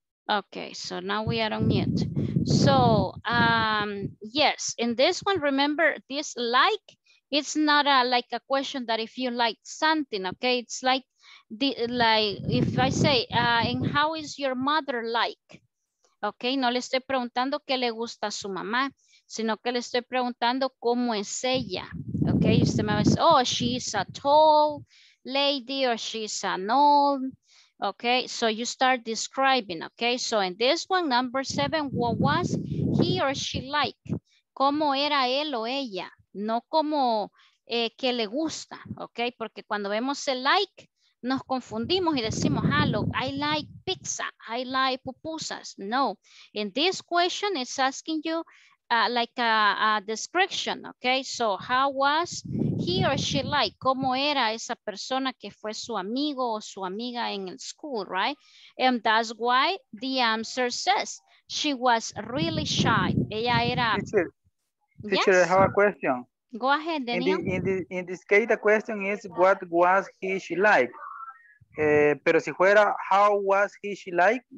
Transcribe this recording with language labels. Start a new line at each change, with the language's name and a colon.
English: Okay, so now we are on mute. So, yes, in this one, remember this like, it's not a, like a question that if you like something, okay? It's like, if I say, and how is your mother like?
Spanish: Okay, no le estoy preguntando qué le gusta a su mamá, sino que le estoy preguntando cómo es ella.
English: Okay,
Spanish: usted me dice,
English: oh, she's a tall lady or she's an old. Okay, so you start describing. Okay, so in this one, number seven, what was he or she like?
Spanish: ¿Cómo era él o ella? No como que le gusta. Okay, porque cuando vemos el like, nos confundimos y decimos, ah,
English: look, I like pizza, I like pupusas. No, in this question, it's asking you, like a description, okay? So how was he or she like?
Spanish: ¿Cómo era esa persona que fue su amigo o su amiga en el school, right?
English: And that's why the answer says, she was really shy.
Spanish: Ella era...
English: Teacher, teacher, yes? I have a question. Go ahead, Daniel. In this case, the question is, what was he she like?
Spanish: Pero si fuera,
English: how was he she like?